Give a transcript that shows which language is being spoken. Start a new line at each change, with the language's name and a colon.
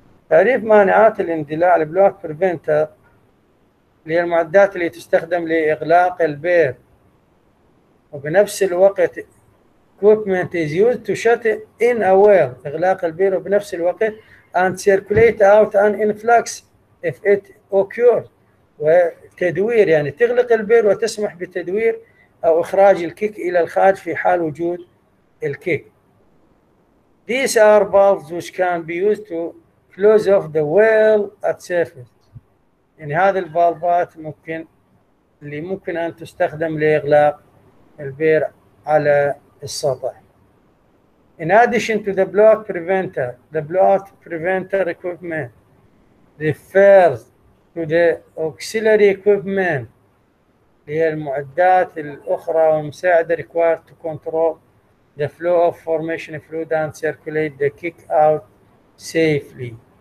Arabic: تعريف مانعات الاندلاع، البلو اوت بريفنتر اللي هي المعدات اللي تستخدم لاغلاق البير، وبنفس الوقت
English: equipment is used to shut in a well،
Arabic: إغلاق البير، وبنفس الوقت
English: and circulate out an influx if it occurs،
Arabic: وتدوير يعني تغلق البير وتسمح بتدوير أو إخراج الكيك إلى الخارج في حال وجود الكيك.
English: These are valves which can be used to close off the well at surface.
Arabic: يعني هذه الفالفات ممكن اللي ممكن أن تستخدم لإغلاق البير على السطح.
English: In addition to the blowout preventer, the blowout preventer equipment refers to the auxiliary equipment
Arabic: اللي هي المعدات الأخرى والمساعدة
English: required to control the flow of formation fluid and circulate the kick out safely.